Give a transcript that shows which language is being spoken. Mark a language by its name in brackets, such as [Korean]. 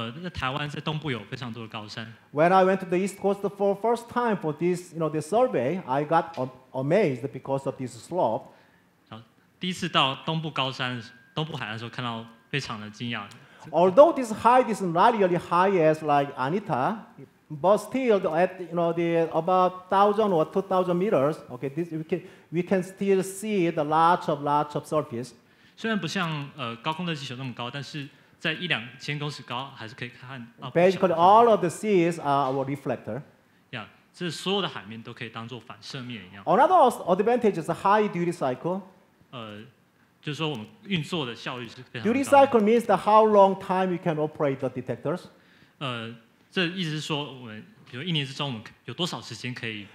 [Chinese] 台湾在东部有非常多的高山。 [English] When I went to the east coast for the first time for this, you know, the survey, I got amazed because of this slope. [Chinese] 第一次到东部高山、东部海岸的时候，看到非常的惊讶。 [English] Although this height is not really high as like ANITA. But still, at you know, the about 1,000 or 2,000 meters, okay, this we can still see the large of surface. [Chinese] 虽然不像高空热气球那么高，但是在一两千公尺高还是可以看。 [English] Basically, all of the seas are our reflector. [Chinese] Yeah, 这所有的海面都可以当做反射面一样。 [English] Another advantage is a high duty cycle. [Chinese] 就是说我们运作的效率是非常高。 [English] Duty cycle means the how long time you can operate the detectors. [Chinese] 这意思是说，我们比如一年之中，我们有多少时间可以